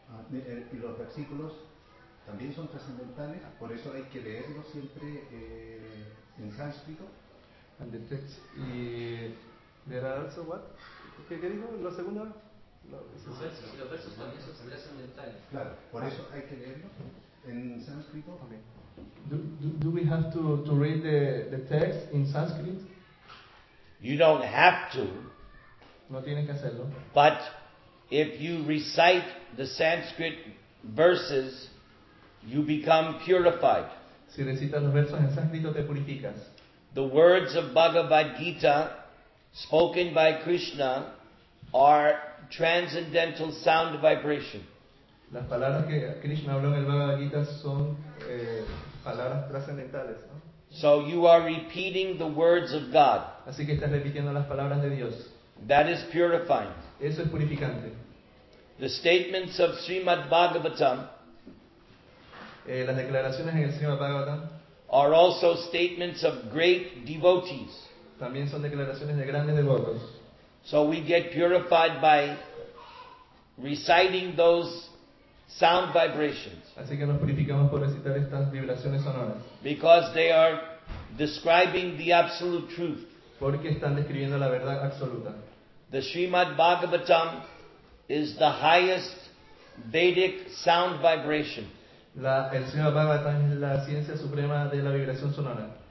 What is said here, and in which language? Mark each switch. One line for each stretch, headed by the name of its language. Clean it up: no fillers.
Spanish: Y los versículos también son trascendentales, por eso hay que leerlos siempre en sánscrito.
English: And the text. Y there are also what?
Spanish: ¿Qué dijo? ¿La segunda? Los versos también son trascendentales. Claro, por eso hay que leerlos en sánscrito.
English: Okay. Do we have to read the text in Sanskrit? You don't have to.
Spanish: No tienes que hacerlo.
English: But if you recite the Sanskrit verses, you become purified.
Spanish: Si recitas los versos en sánscrito, te purificas.
English: The words of Bhagavad Gita, spoken by Krishna, are transcendental sound vibration.
Spanish: Las palabras que Krishna habló en el Bhagavad Gita son palabras trascendentales, ¿no?
English: So you are repeating the words of God.
Spanish: Así que estás repitiendo las palabras de Dios.
English: That is purifying.
Spanish: Eso es purificante.
English: The statements of Srimad Bhagavatam,
Spanish: las declaraciones en el Srimad Bhagavatam,
English: are also statements of great devotees.
Spanish: También son declaraciones de grandes devotos.
English: So we get purified by reciting those sound vibrations.
Spanish: Así que nos purificamos por recitar estas vibraciones sonoras.
English: Because they are describing the absolute truth.
Spanish: Porque están describiendo la verdad absoluta.
English: The Srimad Bhagavatam is the highest Vedic sound vibration.
Spanish: El Srimad Bhagavatam es la ciencia suprema de la vibración sonora.